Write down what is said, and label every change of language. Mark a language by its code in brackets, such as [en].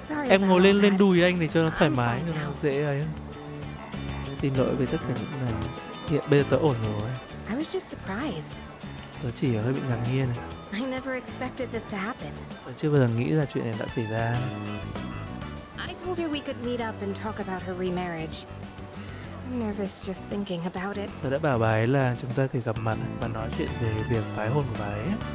[vi] Em ngồi lên đùi anh để cho nó thoải mái, cho nó dễ ấy. Xin lỗi về tất cả những này. Hiện bây giờ tớ ổn rồi. [en] I was just surprised. [vi] Tớ chỉ hơi bị ngạc nhiên này. [en] I never expected this to happen. [vi] Tớ chưa bao giờ nghĩ ra chuyện này đã xảy ra. [en] I told her we could meet up and talk about her remarriage. I'm nervous just thinking about it. [vi] Tớ đã bảo bà ấy là chúng ta thể gặp mặt và nói chuyện về việc tái hôn của bà ấy.